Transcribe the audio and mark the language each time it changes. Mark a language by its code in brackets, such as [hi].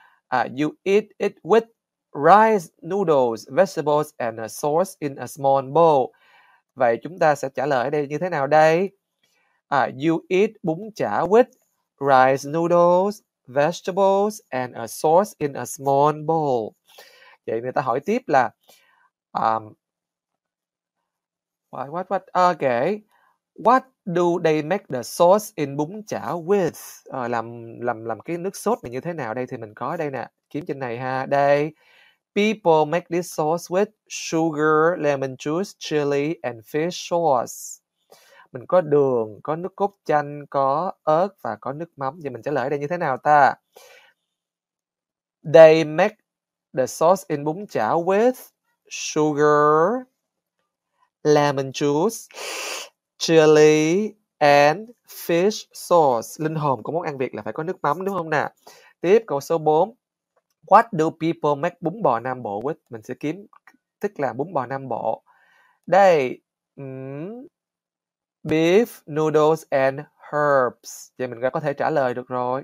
[en] You eat it with rice, noodles, vegetables and a sauce in a small bowl. [vi] Vậy chúng ta sẽ trả lời ở đây như thế nào đây? [en] You eat bún chả with rice, noodles, vegetables and a sauce in a small bowl. [vi] Vậy người ta hỏi tiếp là what? [en] Okay. What do they make the sauce in bún chả with? [vi] Làm cái nước sốt này như thế nào đây? Thì mình có đây nè, kiếm trên này ha. [en] Đây, people make this sauce with sugar, lemon juice, chili and fish sauce. [vi] Mình có đường, có nước cốt chanh, có ớt và có nước mắm. Vậy mình trả lời đây như thế nào ta? [en] They make the sauce in bún chả with sugar, lemon juice, chili and fish sauce. [vi] Linh hồn của món ăn Việt là phải có nước mắm đúng không nè? Tiếp câu số 4. [en] What do people make bún bò Nam Bộ with? [vi] Mình sẽ kiếm, tức là [en] bún bò Nam Bộ. Đây, beef, noodles and herbs. [vi] Vậy mình có thể trả lời được rồi.